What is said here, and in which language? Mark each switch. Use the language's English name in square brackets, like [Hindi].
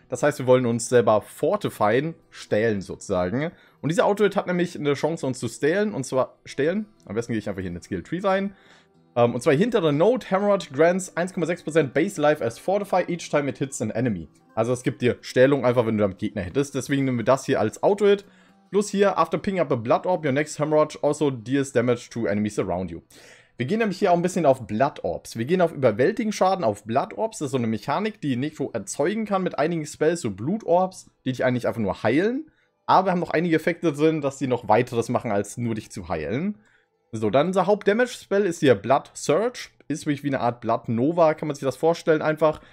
[German] Das heißt, wir wollen uns selber fortifyen, stählen sozusagen. Und dieser Auto-Hit hat nämlich eine Chance, uns zu stählen. Und zwar, stählen? Am besten gehe ich einfach hier in den Skill-Tree rein. Und zwar, hintere Note, [English] Hammerhead grants 1,6% Base Life as Fortify each time it hits an enemy. [German] Also, es gibt dir Stählung einfach, wenn du damit Gegner hittest. Deswegen nehmen wir das hier als Auto-Hit. [English] Plus hier, after picking up a Blood Orb, your next Hemorrhage also deals damage to enemies around you. [German] Wir gehen nämlich hier auch ein bisschen auf Blood Orbs. Wir gehen auf überwältigen Schaden auf Blood Orbs. Das ist so eine Mechanik, die Necro erzeugen kann mit einigen Spells, so Blood Orbs, die dich eigentlich einfach nur heilen. Aber wir haben noch einige Effekte drin, dass die noch weiteres machen, als nur dich zu heilen. So, dann unser Haupt-Damage-Spell ist hier Blood Surge. Ist wirklich wie eine Art Blood Nova, kann man sich das vorstellen, einfach.